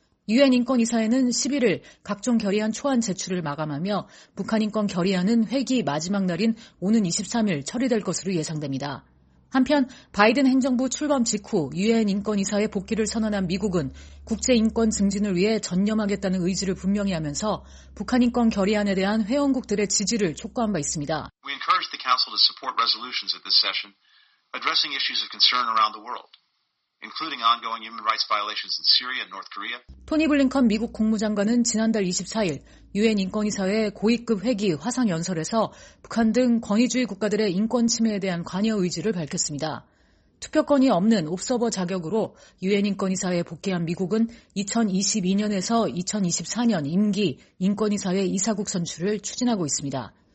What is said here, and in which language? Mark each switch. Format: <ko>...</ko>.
<ko>유엔인권이사회는 11일 각종 결의안 초안 제출을 마감하며 북한인권 결의안은 회기 마지막 날인 오는 23일 처리될 것으로 예상됩니다. 한편 바이든 행정부 출범 직후 유엔 인권이사회 복귀를 선언한 미국은 국제인권 증진을 위해 전념하겠다는 의지를 분명히 하면서 북한인권 결의안에 대한 회원국들의 지지를 촉구한 바 있습니다.</ko> <en>We encourage the Council to support resolutions at this session addressing issues of concern around the world. Including ongoing human rights violations in Syria and North Korea.</en> <ko>토니 블링컨 미국 국무장관은 지난달 24일 유엔 인권이사회 고위급 회기 화상 연설에서 북한 등 권위주의 국가들의 인권 침해에 대한 관여 의지를 밝혔습니다. 투표권이 없는 옵서버 자격으로 유엔 인권이사회에 복귀한 미국은 2022년에서 2024년 임기 인권이사회 이사국 선출을 추진하고 있습니다.</ko>